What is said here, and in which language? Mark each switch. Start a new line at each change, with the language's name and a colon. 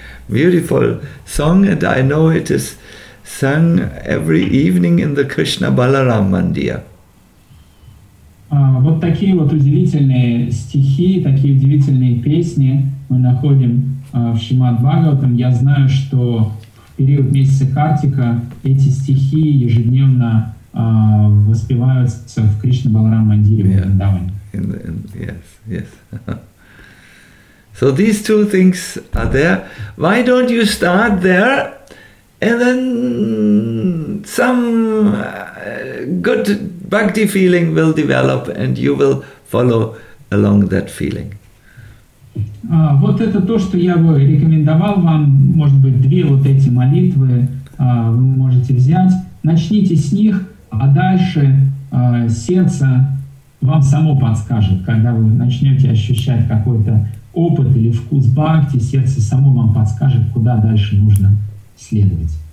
English: Beautiful song, and I know it is sung every evening in the Krishna Balaram Mandir.
Russian: Вот такие вот удивительные стихи, такие удивительные песни мы находим в Шримад Бхагаватам. Я знаю, что в период месяца Картика эти стихи ежедневно воспеваются в Кришна Баларам Мандире,
English: yeah,
Russian: в Вриндаване.
English: Yes, yes. So these two things are there. Why don't you start there and then some good bhakti feeling will develop and you will follow along that feeling.
Russian: Вот это то, что я бы рекомендовал вам, может быть, две вот эти молитвы вы можете взять. Начните с них, а дальше сердце вам само подскажет, когда вы начнете ощущать какой-то опыт или вкус бхакти, сердце само вам подскажет, куда дальше нужно следовать.